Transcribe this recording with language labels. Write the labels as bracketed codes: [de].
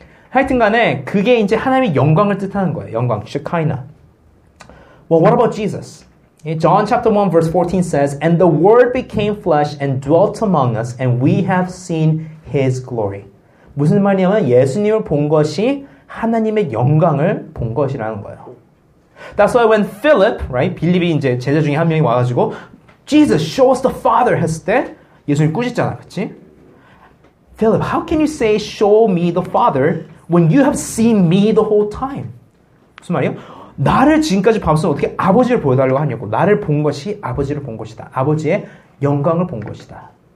[ko] 하여튼간에 그게 이제 하나님의 영광을 뜻하는 거예요. [en] 영광, Shekinah. Well, what about Jesus? John chapter 1 verse 14 says, "And the Word became flesh and dwelt among us, and we have seen His glory." [ko] 무슨 말이냐면 예수님을 본 것이 하나님의 영광을 본 것이라는 거예요. [en] That's why when Philip, right, [ko] 빌립이 이제 제자 중에 한 명이 와가지고 [en] Jesus, show us the Father [ko] 했을 때 예수님 꾸짖잖아, 그치? [en] Philip, how can you say show me the Father when you have seen me the whole time? [ko] 무슨 말이에요? 나를 지금까지 밤새 어떻게 아버지를 보여달라고 하냐고 나를 본 것이 아버지를 본 것이다. 아버지의 영광을 본 것이다.